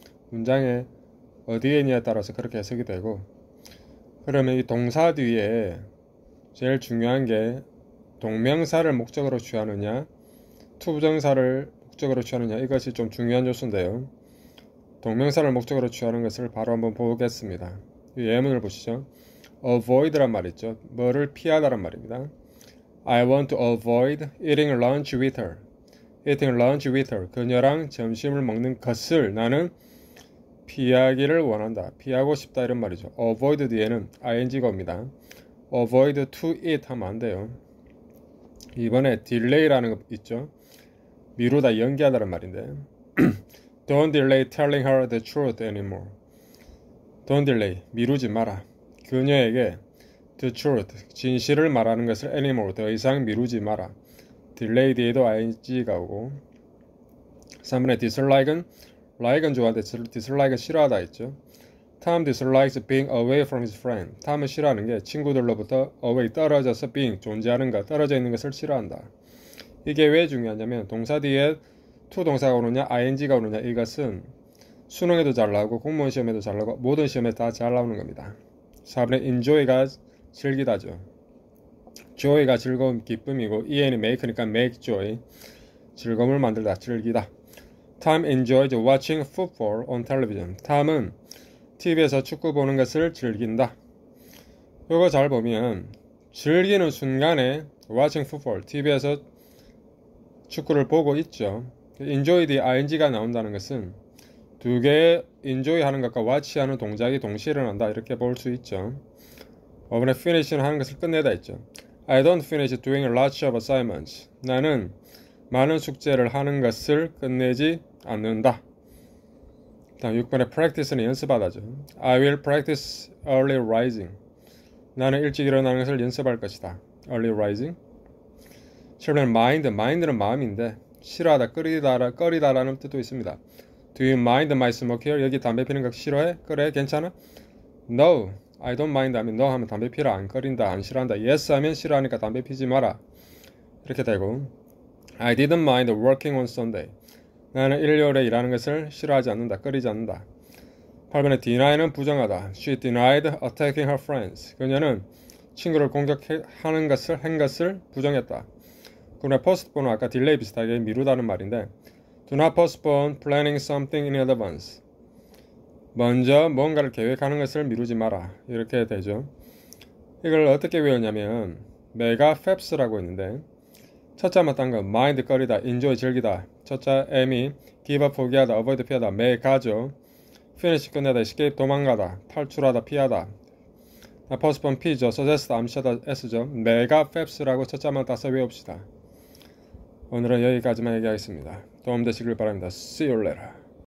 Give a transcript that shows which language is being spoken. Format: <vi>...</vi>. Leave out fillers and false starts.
<ko>문장의 어디에냐에 따라서 그렇게 해석이 되고, 그러면 이 동사 뒤에 제일 중요한 게, 동명사를 목적으로 취하느냐, 투부정사를 목적으로 취하느냐, 이것이 좀 중요한 요소인데요. 동명사를 목적으로 취하는 것을 바로 한번 보겠습니다. 이 예문을 보시죠. avoid란 말 있죠. 뭐를 피하다란 말입니다.</ko> <en>I want to avoid eating lunch with her. Eating lunch with her.</en> <ko>그녀랑 점심을 먹는 것을 나는 피하기를 원한다. 피하고 싶다. 이런 말이죠. avoid 뒤에는 ing가 옵니다. avoid to eat 하면 안 돼요. 이번에 delay라는 거 있죠. 미루다, 연기하다는 말인데.</ko> <en>Don't delay telling her the truth anymore. Don't delay.</en> <ko>미루지 마라. 그녀에게 The truth, 진실을 말하는 것을 anymore, 더 이상 미루지 마라. Delay 뒤에도 ing가 오고. 3번에 dislike은 좋아하는데 dislike은 싫어하다 했죠.</ko> <en>Tom dislikes being away from his friend.</en> <ko>Tom은 싫어하는 게 친구들로부터 away, 떨어져서 being, 존재하는 것, 떨어져 있는 것을 싫어한다. 이게 왜 중요하냐면, 동사 뒤에 to 동사가 오느냐, ing가 오느냐, 이것은 수능에도 잘 나오고, 공무원 시험에도 잘 나오고, 모든 시험에 다잘 나오는 겁니다. 4번에 enjoy가 즐기다죠. joy가 즐거움, 기쁨이고, en이 make니까 make joy. 즐거움을 만들다, 즐기다.</ko> <en>Tom enjoys watching football on television.</en> <ko>Tom은 TV에서 축구 보는 것을 즐긴다. 이거 잘 보면, 즐기는 순간에</ko> <en>watching football,</en> <ko>TV에서 축구를 보고 있죠. enjoy the ing가 나온다는 것은 두 개의 enjoy 하는 것과 watch 하는 동작이 동시에 일어난다. 이렇게 볼수 있죠. 어머니 finish는 하는 것을 끝내다 했죠.</ko> <en>I don't finish doing lots of assignments.</en> <ko>나는 많은 숙제를 하는 것을 끝내지 않는다. 다음 6번에 practice는 연습하다죠.</ko> <en>I will practice early rising.</en> <ko>나는 일찍 일어나는 것을 연습할 것이다. early rising. 7번에 mind. mind는 마음인데 싫어하다, 꺼리다라는 뜻도 있습니다.</ko> <en>Do you mind my smoke here?</en> <ko>여기 담배 피는 거 싫어해? 그래, 괜찮아? No.</ko> <en>I don't mind</en> <ko>하면 no 하면 담배 피라, 안 꺼린다, 안 싫어한다. Yes 하면 싫어하니까 담배 피지 마라. 이렇게 되고.</ko> <en>I didn't mind working on Sunday.</en> <ko>나는 일요일에 일하는 것을 싫어하지 않는다, 꺼리지 않는다. 8번에 deny는 부정하다.</ko> <en>She denied attacking her friends.</en> <ko>그녀는 친구를 한 것을 부정했다. 9번에 postpone은 아까 delay 비슷하게 미루다는 말인데,</ko> <en>do not postpone planning something in advance.</en> <ko>먼저 뭔가를 계획하는 것을 미루지 마라. 이렇게 되죠. 이걸 어떻게 외웠냐면, 메가 펩스라고 있는데, 첫자만 딴 거, mind 꺼리다, enjoy 즐기다, 첫자 m이 give up 포기하다, avoid 피하다, 메가죠. finish 끝내다, escape 도망가다, 탈출하다, 피하다. postpone p죠, suggest암시하다, s죠. 메가 펩스라고 첫자만 따서 외웁시다. 오늘은 여기까지만 얘기하겠습니다. 도움되시길 바랍니다.</ko> <en>See you later.</en>